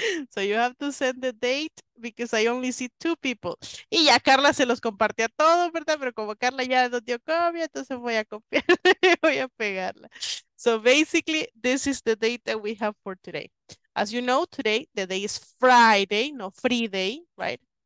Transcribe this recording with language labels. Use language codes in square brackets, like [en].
[en] So you have to send the date because I only see two people. [es] Y ya Carla se los compartió a todos, ¿verdad? Pero como Carla ya nos dio copia, entonces voy a copiar, voy a pegarla. [en] So basically, this is the date that we have for today. As you know, today, the day is Friday, no Friday, right?